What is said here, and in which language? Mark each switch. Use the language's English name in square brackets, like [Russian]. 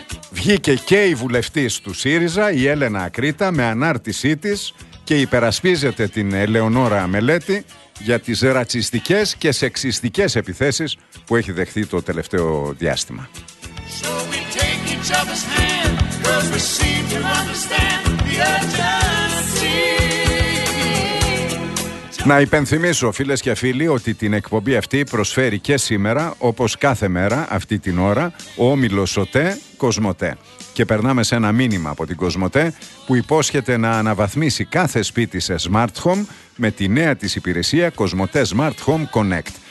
[Greek] Βγήκε και η βουλευτής του ΣΥΡΙΖΑ, η Έλενα Ακρίτα, με ανάρτησή της και υπερασπίζεται την Ελεονόρα Μελέτη για τις ρατσιστικές και σεξιστικές επιθέσεις που έχει δεχθεί το τελευταίο διάστημα. [English] So we take each other's hand, 'cause we seem to understand the urgency. [Greek] Να υπενθυμίσω, φίλες και φίλοι, ότι την εκπομπή αυτή προσφέρει και σήμερα, όπως κάθε μέρα αυτή την ώρα, ο όμιλος ΟΤΕ Κοσμοτέ. Και περνάμε σε ένα μήνυμα από την Κοσμοτέ που υπόσχεται να αναβαθμίσει κάθε σπίτι σε Smart Home με τη νέα της υπηρεσία Κοσμοτέ Smart Home Connect.